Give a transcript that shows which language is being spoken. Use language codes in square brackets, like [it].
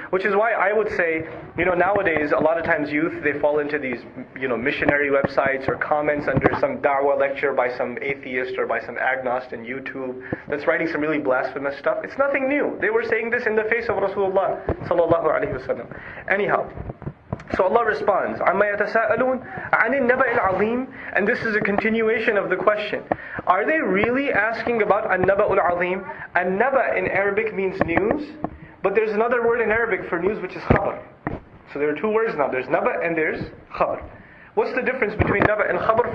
[en] Which is why I would say, you know, nowadays a lot of times youth, they fall into these, you know, missionary websites or comments under some da'wah lecture by some atheist or by some agnostic in YouTube that's writing some really blasphemous stuff. It's nothing new. They were saying this in the face of Rasulullah sallallahu alaihi wasallam. Anyhow. So Allah responds, [ar] عَمَّ يَتَسَأَلُونَ عَنِ النَّبَإِ الْعَظِيمِ. [en] And this is a continuation of the question. Are they really asking about النَّبَإُ الْعَظِيمِ? النَّبَإُ in Arabic means news, but there's another word in Arabic for news which is خَبَر. So there are two words now, there's نَبَأ and there's خَبَر. What's the difference between نَبَأ and خَبَر?